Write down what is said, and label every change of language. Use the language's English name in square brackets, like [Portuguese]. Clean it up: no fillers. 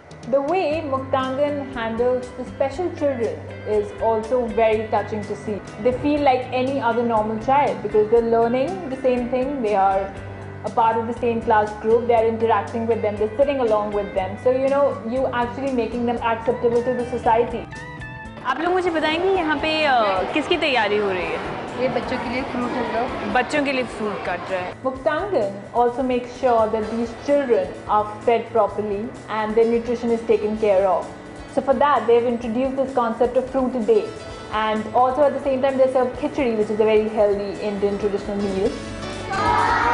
[English] The way Muktangan handles the special children is also very touching to see. They feel like any other normal child because they're learning the same thing. They are a part of the same class group. They're interacting with them. They're sitting along with them. So, you know, you actually making them acceptable to the society. [Hindi] आप लोग मुझे बताएंगे यहाँ पे किसकी तैयारी हो रही है? ये बच्चों के लिए फ्रूट है ना? बच्चों के लिए फ्रूट काट रहे हैं। [English] Muktangan also makes sure that these children are fed properly and their nutrition is taken care of. So for that, they have introduced this concept of fruit a day, and also at the same time they serve khichdi, which is a very healthy Indian traditional meal.